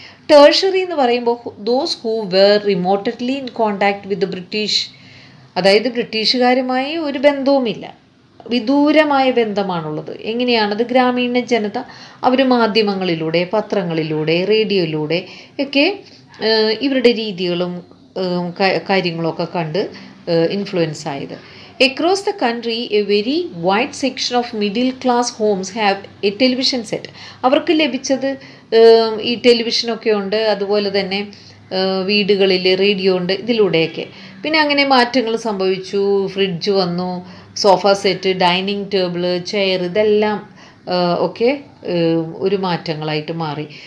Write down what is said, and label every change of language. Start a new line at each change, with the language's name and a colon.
Malayalam: Tertiary എന്ന് പറയുമ്പോൾ
English: those who were remotedly in contact with British,
Malayalam: അതായത് ബ്രിട്ടീഷുകാരുമായി ഒരു ബന്ധവുമില്ല, വിദൂരമായ ബന്ധമാണുള്ളത്. എങ്ങനെയാണത്? ഗ്രാമീണ ജനത അവർ മാധ്യമങ്ങളിലൂടെ, പത്രങ്ങളിലൂടെ, റേഡിയോയിലൂടെ ഒക്കെ ഇവരുടെ രീതികളും കാര്യങ്ങളൊക്കെ കണ്ട് ഇൻഫ്ലുവൻസ് ആയത്.
English: Across the country, a very wide section of middle class homes have a television set.
Malayalam: അവർക്ക് ലഭിച്ചത് ഈ ടെലിവിഷൻ ഒക്കെ ഉണ്ട്, അതുപോലെ തന്നെ വീടുകളിൽ റേഡിയോ ഉണ്ട്. ഇതിലൂടെയൊക്കെ പിന്നെ അങ്ങനെ മാറ്റങ്ങൾ സംഭവിച്ചു. ഫ്രിഡ്ജ് വന്നു, sofa set, dining table, chair, ഇതെല്ലാം ഒക്കെ ഒരു മാറ്റങ്ങളായിട്ട് മാറി.